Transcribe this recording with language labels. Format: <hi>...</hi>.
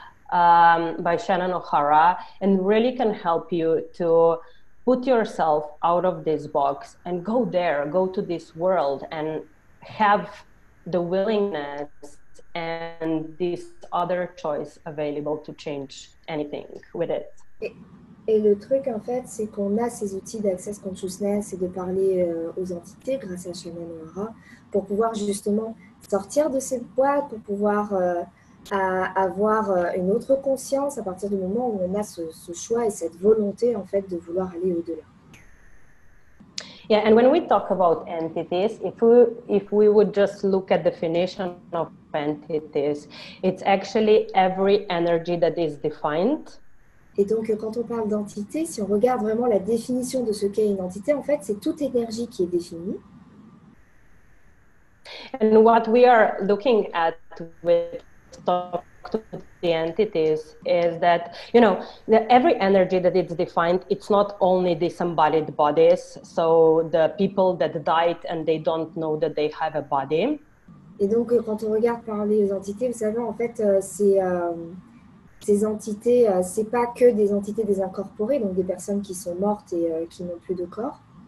<en>By Shannon O'Hara, and really can help you to put yourself out of this box and go there, go to this world and have the willingness and this other choice available to change anything with it.</en> <fr>Et le truc, en fait, c'est qu'on a ces outils d'access consciousness et de parler aux entités grâce à Shannon O'Hara pour pouvoir justement sortir de cette boîte, pour pouvoir... à avoir une autre conscience à partir du moment où on a ce choix et cette volonté en fait de vouloir aller au-delà.</fr> <en>Yeah, and when we talk about entities, if we would just look at the definition of entities, it's actually every energy that is defined.</en> <fr>Et donc quand on parle d'entité, si on regarde vraiment la définition de ce qu'est une entité, en fait, c'est toute énergie qui est définie.</fr> <en>And what we are looking at with talk to the entities is that, you know, every energy that is defined, it's not only disembodied bodies, so the people that died and they don't know that they have a body.</en> <fr>Et donc quand on regarde par les entités, vous savez, en fait c'est ces entités, c'est pas que des entités désincorporées, donc des personnes qui sont mortes et qui n'ont plus de corps.</fr>